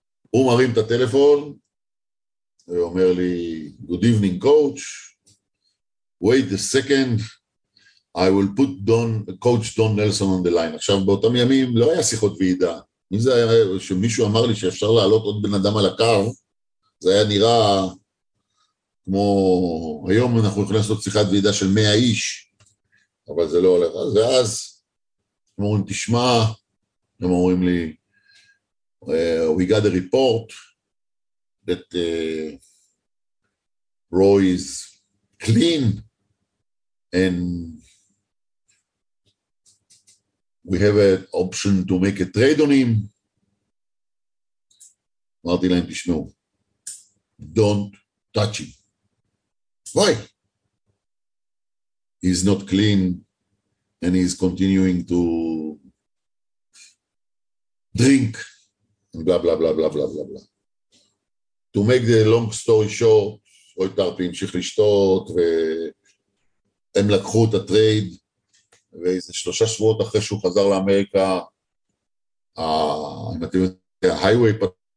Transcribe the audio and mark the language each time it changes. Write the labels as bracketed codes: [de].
[he] הוא מרים את הטלפון, הוא אומר לי, [en] Good evening coach, wait a second, I will put coach דון נלסון on the line. [he] עכשיו באותם ימים לא היה שיחות ועידה. מי זה היה? שמישהו אמר לי שאפשר לעלות עוד בן אדם על הקו, זה היה נראה כמו, היום אנחנו יכולים לעשות שיחת ועידה של 100 איש, אבל זה לא הולך. ואז הם אומרים, תשמע, הם אומרים לי, [en] we got a report that Roy is clean and we have an option to make a trade on him. [he] אמרתי להם, תשמעו, [en] don't touch him. Why? He's not clean and he's continuing to drink and blah, blah, blah, blah, blah, blah, blah. To make the long story short, [he] רוי טרפלי המשיך לשתות והם לקחו את הטרייד, ואיזה שלושה שבועות אחרי שהוא חזר לאמריקה, אם אתם יודעים, ההייווי פתק,